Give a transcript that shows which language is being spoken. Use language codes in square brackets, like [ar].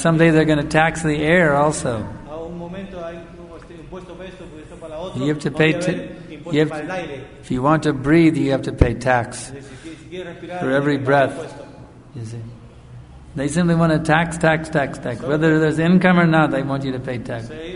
[en] Someday they're going to tax the air also. [es] A un momento hay impuesto para esto, impuesto para la otra. [en] You have to pay [es] para el aire. [en] If you want to breathe, you have to pay tax. For every breath. You see? They simply want to tax. So whether there's income or not, they want you to pay tax.